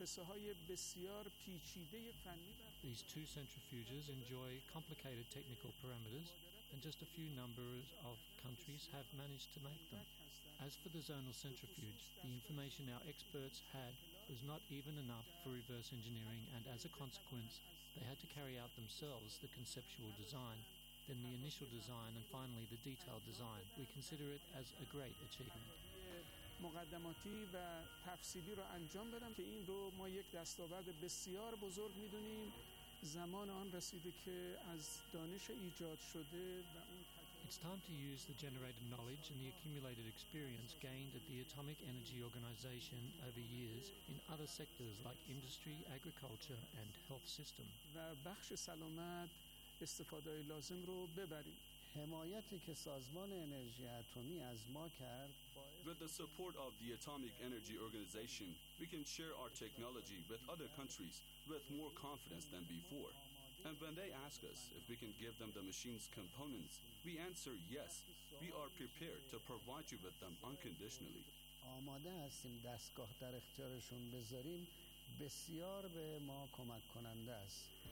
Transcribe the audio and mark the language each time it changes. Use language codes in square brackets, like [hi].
[en] These two centrifuges enjoy complicated technical parameters, and just a few numbers of countries have managed to make them. As for the zonal centrifuge, the information our experts had was not even enough for reverse engineering, and as a consequence, they had to carry out themselves the conceptual design, then the initial design, and finally the detailed design. We consider it as a great achievement. [fa] مقدماتی و تفصیلی رو انجام بدم که این رو ما یک دستاورد بسیار بزرگ میدونیم زمان آن رسیده که از دانش ایجاد شده و اون [en] It's time to use the generated knowledge and the accumulated experience gained at the Atomic Energy Organization over years in other sectors like industry, agriculture and health system. [fa] و بخش سلامت استفاده لازم رو ببریم. حمایتی که سازمان انرژی اتمی از ما کرد [en] With the support of the Atomic Energy Organization, we can share our technology with other countries with more confidence than before. And when they ask us if we can give them the machine's components, we answer yes. We are prepared to provide you with them unconditionally. [fa] آماده هستیم دستگاه در اختیارشون بذاریم بسیار به ما کمک کننده است.